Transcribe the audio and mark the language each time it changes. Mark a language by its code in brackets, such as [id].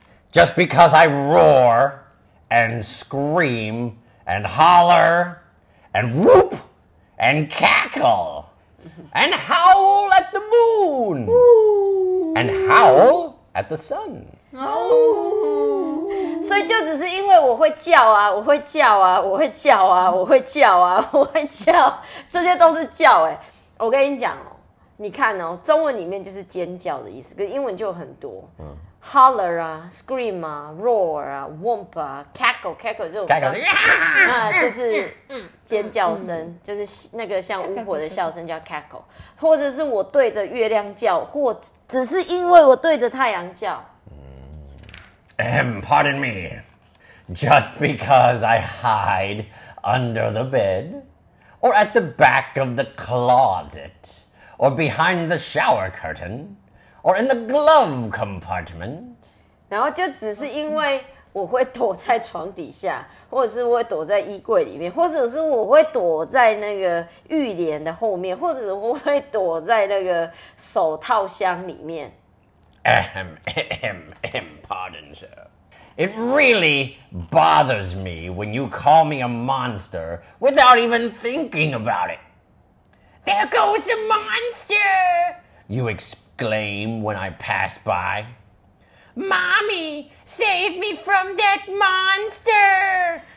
[en] Just because I roar and scream and holler and whoop and cackle and howl at the moon and howl at the sun. Oh. [zh] 所以就只是因为我会叫啊，我会叫啊，我会叫啊，我会叫啊，我会叫，这些都是叫哎、欸。我跟你讲哦，你看哦，中文里面就是尖叫的意思，可是英文就很多。 [en] Holler 啊 ，scream 啊 ，roar 啊 ，womp 啊 ，cackle 这种，cackle [zh] 啊，就是尖叫声，就是那个像巫婆的笑声叫 cackle， 或者是我对着月亮叫，或只是因为我对着太阳叫。 [en] Pardon me, just because I hide under the bed, or at the back of the closet, or behind the shower curtain, or in the glove compartment. [zh] 然后就只是因为我会躲在床底下，或者是我会躲在衣柜里面，或者是我会躲在那个浴帘的后面，或者是我会躲在那个手套箱里面。 [en] Pardon, sir. It really bothers me when you call me a monster without even thinking about it. There goes a monster! You exclaim when I pass by. Mommy, save me from that monster!